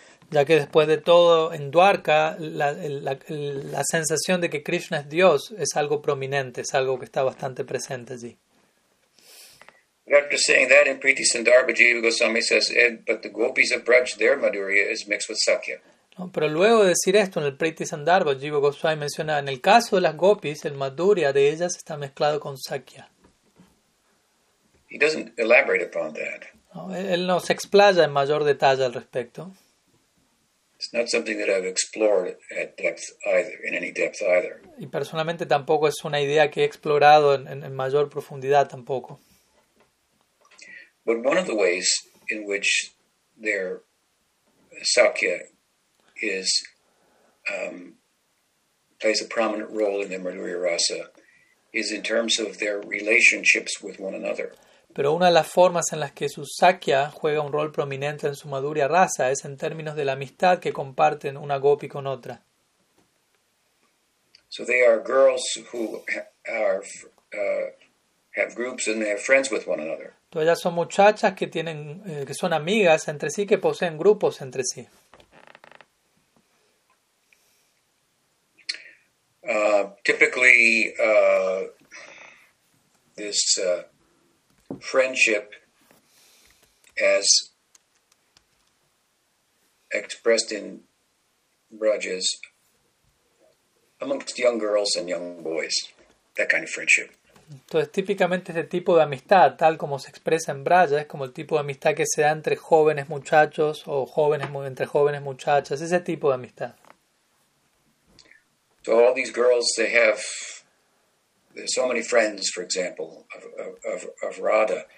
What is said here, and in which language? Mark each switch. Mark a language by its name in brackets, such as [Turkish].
[Spanish] ya que después de todo en Dwarka la sensación de que Krishna es Dios es algo prominente, es algo que está bastante presente allí. [English] After saying that, in Priti Sundarbha, Jiva Goswami says, but the gopis of Braj, their madhurya is mixed with sakya. [Spanish] No, pero luego de decir esto en el Priti Sundarbha, Jiva Goswami menciona, en el caso de las gopis, el madhurya de ellas está mezclado con sakya. [English] He doesn't elaborate upon that. [Spanish] No, él no se explaya en mayor detalle al respecto. [English] It's not something that I've explored at depth either, in any depth either. [Spanish] Y personalmente tampoco es una idea que he explorado en mayor profundidad tampoco. [English] But one of the ways in which their sakya is plays a prominent role in their madhurya rasa is in terms of their relationships with one another. [Spanish] Pero una de las formas en las que su sakya juega un rol prominente en su madhurya rasa es en términos de la amistad que comparten una gopi con otra. [English] So they are girls who are have groups and they have friends with one another. [Spanish] Entonces ellas son muchachas que tienen, que son amigas entre sí, que poseen grupos entre sí. [English] Typically, this friendship, as expressed in Brajas, amongst young girls and young boys, that kind of friendship. [Spanish] Entonces, típicamente este tipo de amistad, tal como se expresa en Braja, es como el tipo de amistad que se da entre jóvenes muchachos o jóvenes entre jóvenes muchachas, ese tipo de amistad. [English] So all these girls, they have so many friends, for example, of Radha.